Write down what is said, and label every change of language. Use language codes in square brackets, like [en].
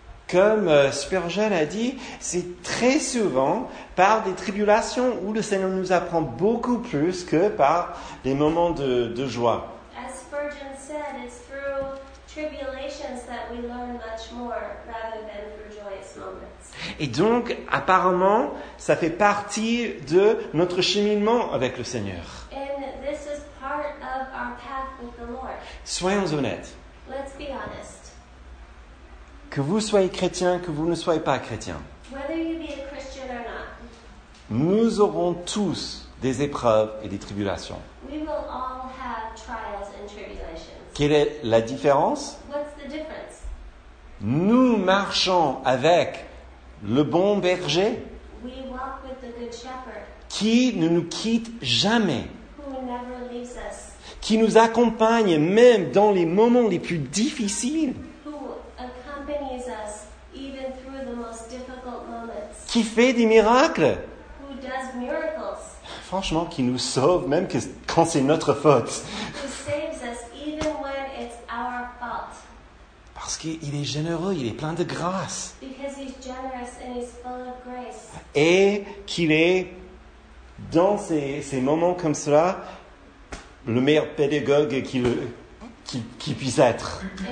[fr] Comme Spurgeon a dit, c'est très souvent par des tribulations où le Seigneur nous apprend beaucoup plus que par des moments de joie. [en] As Spurgeon said, it's through tribulations that we learn much more rather than through joyous moments. [fr] Et donc, apparemment, ça fait partie de notre cheminement avec le Seigneur. [en] And this is part of our path with the Lord. [fr] Soyons honnêtes. [en] Let's be honest. [fr] Que vous soyez chrétien, que vous ne soyez pas chrétien. [en] Whether you be a Christian or not. [fr] Nous aurons tous des épreuves et des tribulations. [en] We will all have trials and tribulations. [fr] Quelle est la différence? [en] What's the difference? [fr] Nous marchons avec le bon berger. [en] We walk with the good shepherd. [fr] Qui ne nous quitte jamais. [en] Who never leaves us. [fr] Qui nous accompagne même dans les moments les plus difficiles. [en] Who accompanies us even through the most difficult moments. [fr] Qui fait des miracles. [en] Who does miracles. [fr] Franchement, qui nous sauve même que, quand c'est notre faute. [en] Who saves us even when it's our fault. [fr] Parce qu'il est généreux, il est plein de grâce. [en] Because he's generous and he's full of grace. [fr] Et qu'il est dans ces moments comme cela, le meilleur pédagogue qui puisse être.